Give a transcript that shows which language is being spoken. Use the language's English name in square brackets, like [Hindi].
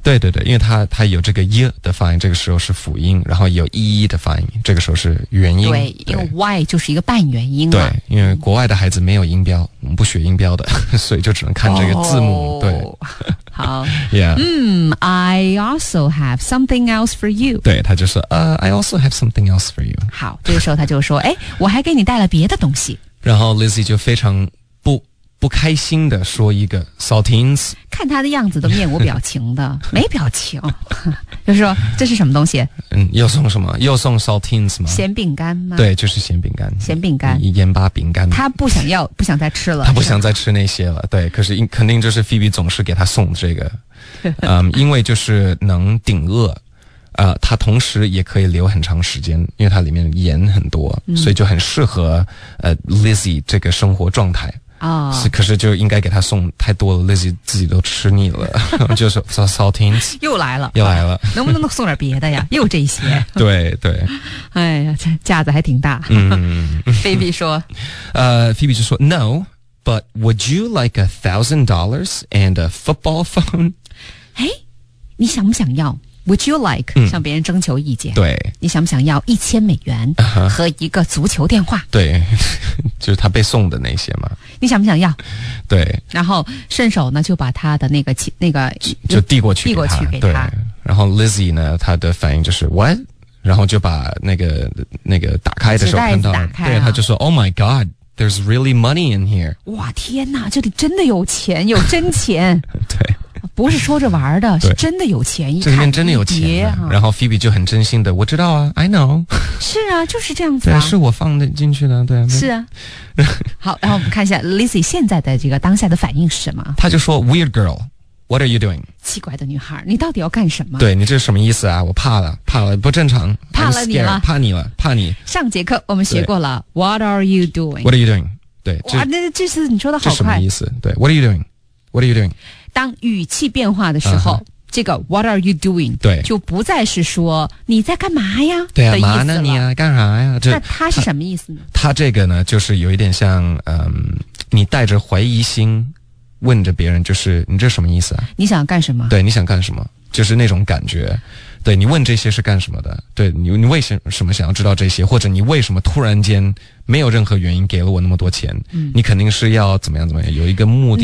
[Chinese] 对对对，因为他有这个 y 的发音，这个时候是辅音，然后有 e 的发音，这个时候是原因，对，因为 why 就是一个半元音，对，因为国外的孩子没有音标，不学音标的，所以就只能看这个字幕、oh, 对好 [English] yeah、 I also have something else for you， [Chinese] 对他就说、 [English] I also have something else for you， [Chinese] 好，这个时候他就说哎，我还给你带了别的东西，然后 Lizzie 就非常不开心的说一个 saltines，看他的样子都面无表情的没表情就说这是什么东西，嗯，又送什么，又送 saltines 吗，咸饼干吗，对，就是咸饼干，咸饼干，盐巴饼干，他不想要，不想再吃了，他不想再吃那些了，对，可是肯定就是 Phoebe 总是给他送这个因为就是能顶饿他同时也可以留很长时间，因为他里面盐很多、所以就很适合Lizzie 这个生活状态哦、是，可是就应该给他送太多了， Lizzie 自己都吃腻了就是 saltines 又来了又来了、哎、能不能送点别的呀又这些对对，哎呀这架子还挺大Phoebe 说 [English] Phoebe [Chinese] 就说 [English] No but would you like $1,000 and a football phone， [Chinese] 哎，你想不想要， [English] would you like、 [Chinese] 向别人征求意见，对，你想不想要$1,000和一个足球电话、对，就是他被送的那些嘛，你想不想要，对，然后顺手呢就把他的那个就递过去给 他, 递过去给他，对，然后 Lizzie 呢他的反应就是 What， 然后就把那个打开的时候看到，打开、对，他就说 [English] Oh my god there's really money in here， [Chinese] 哇天哪，这里真的有钱，有真钱对，不是说着玩的，是真的有钱，这里面真的有钱、然后 Phoebe 就很真心的，我知道啊 [English] I know， [Chinese] 是啊，就是这样子啊，对，是我放的进去的，对，是啊好，然后我们看一下 Lizzie 现在的这个当下的反应是什么，他就说 [English] Weird girl what are you doing， [Chinese] 奇怪的女孩你到底要干什么，对，你这是什么意思啊，我怕了不正常，怕了你了，怕你了，怕你，上节课我们学过了 [English] what are you doing， what are you doing， 对， [Chinese] 哇，那这次你说的好快，这什么意思，对， [English] what are you doing what are you doing， [Chinese] 当语气变化的时候、这个 what are you doing，对，就不再是说你在干嘛呀，对啊，嘛呢你啊，干啥呀，这那他是什么意思呢，他这个呢就是有一点像你带着怀疑心问着别人，就是你这什么意思啊，你想干什么，对，你想干什么，就是那种感觉，对，你问这些是干什么的，对，你为什么想要知道这些，或者你为什么突然间没有任何原因给了我那么多钱、你肯定是要怎么样怎么样，有一个目的，